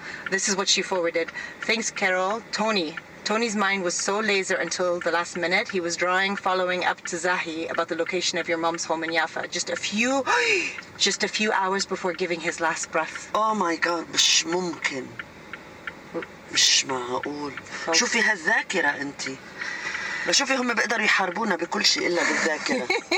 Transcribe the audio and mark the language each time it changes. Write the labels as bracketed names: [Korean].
[English] This is what she forwarded. Thanks, Carol. Tony. Tony's mind was so laser until the last minute. He was drawing, following up to Zahi about the location of your mom's home in Yaffa. Just a few hours before giving his last breath. Oh my God, [Arabic] مش ممكن. مش معقول. شوفي هالذاكرة انتي. بشوفي هم بقدر يحاربونا بكل شيء إلا بالذاكرة.